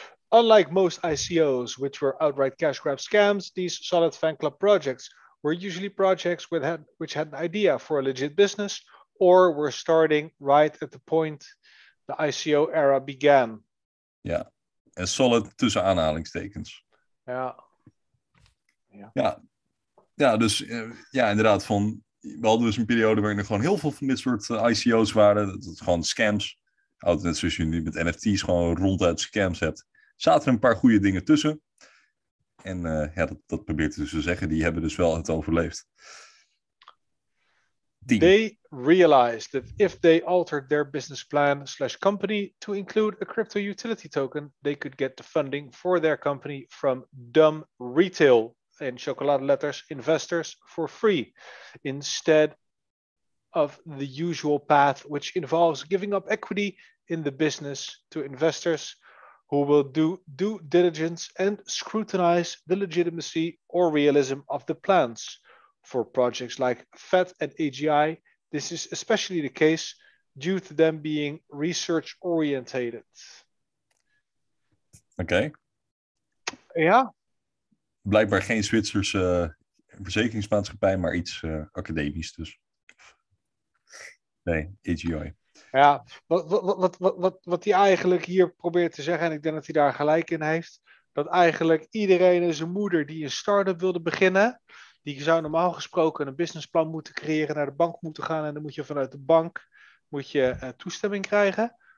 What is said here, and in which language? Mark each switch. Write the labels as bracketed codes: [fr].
[en] Unlike most ICOs, which were outright cash grab scams, these solid fan club projects were usually projects which had an idea for a legit business or were starting right at the point the ICO era began. [nl] Ja, en solid tussen aanhalingstekens. Ja. Ja, ja, dus ja, inderdaad, van we hadden dus een periode waarin er gewoon heel veel van dit soort ICO's waren. Dat gewoon scams, net zoals je nu met NFT's gewoon ronduit scams hebt. Zaten er een paar goede dingen tussen. En dat probeert dus te zeggen. Die hebben dus wel het overleefd. Die. [en] They realized that if they altered their business plan / company to include a crypto utility token, they could get the funding for their company from dumb retail, in chocolate letters, investors for free, instead of the usual path, which involves giving up equity in the business to investors who will do due diligence and scrutinize the legitimacy or realism of the plans. For projects like FET and AGI, this is especially the case due to them being research-orientated. Okay. [nl] Ja. Blijkbaar geen Zwitserse verzekeringsmaatschappij, maar iets academisch dus. Nee, AGI. Ja, wat hij eigenlijk hier probeert te zeggen, en ik denk dat hij daar gelijk in heeft, dat eigenlijk iedereen en zijn moeder die een start-up wilde beginnen, die zou normaal gesproken een businessplan moeten creëren, naar de bank moeten gaan, en dan moet je vanuit de bank moet je toestemming krijgen.